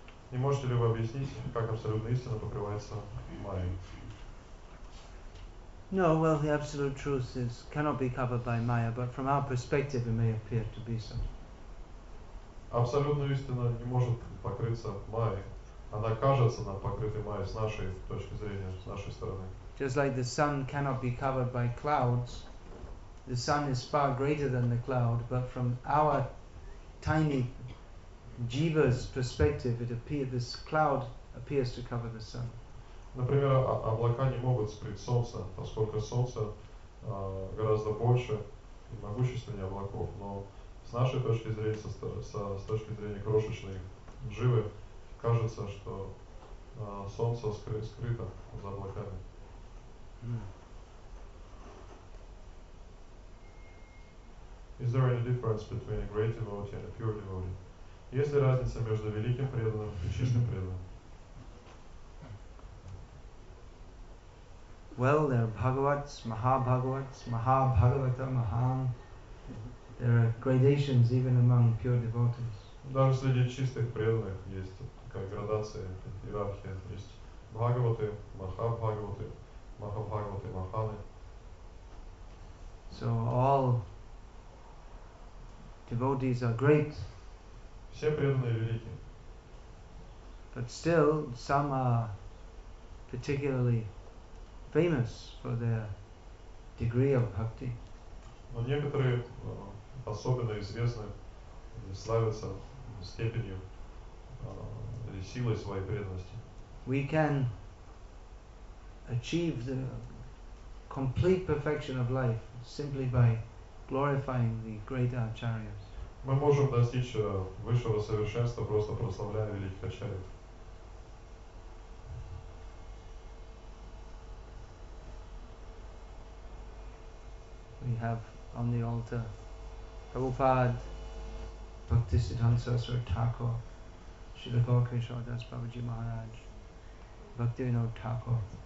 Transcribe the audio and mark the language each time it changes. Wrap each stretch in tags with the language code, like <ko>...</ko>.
<ru>Не можете ли вы объяснить, как абсолютная истина покрывается Майей?</ru> <en>No, well, the absolute truth is cannot be covered by Maya, but from our perspective, it may appear to be so.</en> <ru>Абсолютная истина не может покрыться Майей. Она кажется нам покрытой Майей с нашей точки зрения, с нашей стороны.</ru> <en>Just like the sun cannot be covered by clouds, the sun is far greater than the cloud, but from our tiny jiva's perspective, this cloud appears to cover the sun.</en> <ru>Например, облака не могут скрыть солнце, поскольку солнце гораздо больше и могущественнее облаков. Но с нашей точки зрения, с точки зрения крошечной живы, кажется, что солнце скрыто за облаками.</ru> <en>Is there any difference between a great devotee and a pure devotee?</en> <ru>Есть ли разница между великим преданным и чистым преданным?</ru> <en>Well, there are Bhagavats, Mahabhagavats, Mahabhagavata, Maham. There are gradations even among pure devotees.</en> <ru>Даже среди чистых преданных есть такая градация, иерархия. Есть Бхагаваты, Махабхагаваты, Махабхагаваты, Маханы.</ru> <en>So all devotees are great.</en> <ru>Все преданные велики.</ru> <en>But still, some are particularly famous for their degree of bhakti.</en> <ru>Но некоторые особенно известны и славятся степенью или силой своей преданности.</ru> <en>We can achieve the complete perfection of life simply by glorifying the great acharyas.</en> <ru>Мы можем достичь высшего совершенства, просто прославляя великих ачарьев.</ru> <en>We have on the altar Prabhupada, Bhaktisiddhanta Saraswati Thakur, Srila Gaura Keshava Das Babaji Maharaj, Bhaktivinoda Thakur.</en>